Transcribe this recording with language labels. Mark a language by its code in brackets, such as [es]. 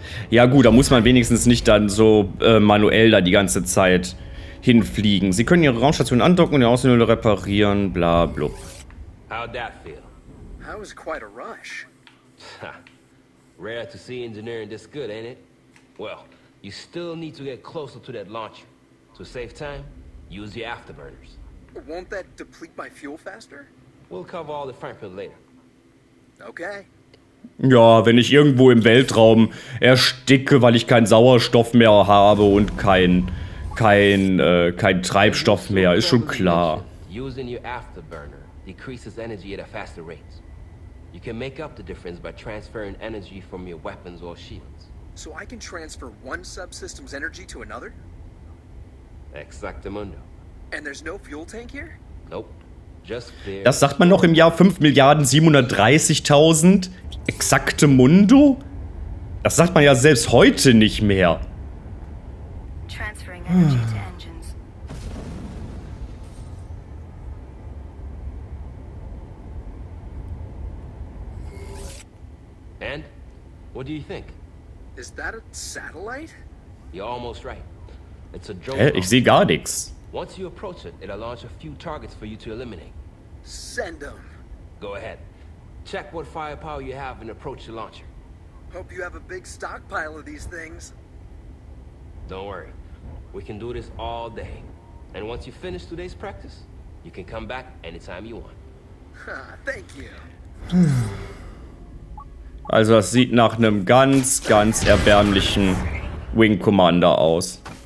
[de] Ja gut, da muss man wenigstens nicht dann so manuell da die ganze Zeit hinfliegen. Sie können Ihre Raumstation andocken und die Außenhülle reparieren, bla blub. [en] How'd that feel? That was quite a rush. Rare to see engineering this good, ain't it? Well, you still need to get closer to that launcher. To save time, use the afterburners. Won't that deplete my fuel faster? We'll cover all the firepit later. Okay. [de] Ja, wenn ich irgendwo im Weltraum ersticke, weil ich keinen Sauerstoff mehr habe und kein Treibstoff mehr, ist schon klar. [en] Using your afterburner decreases energy at a faster rate. You can make up the difference by transferring energy from your weapons or shields. So I can transfer one subsystem's energy to another? Exactamundo. And there's no fuel tank here? Nope. Just clear. [de] Das sagt man noch im Jahr 5.730.000. Exactamundo? Das sagt man ja selbst heute nicht mehr. [en] Transferring energy to engines. And what do you think? Is that a satellite? You're almost right. [de] Ich sehe gar nichts. [en] Once you approach it, it'll launch a few targets for you to eliminate. Send them. Go ahead. Check what firepower you have and approach the launcher. Hope you have a big stockpile of these things. Don't worry. We can do this all day. And once you finish today's practice, you can come back anytime you want. Thank you. [de] Also das sieht nach einem ganz, ganz erbärmlichen Wing Commander aus.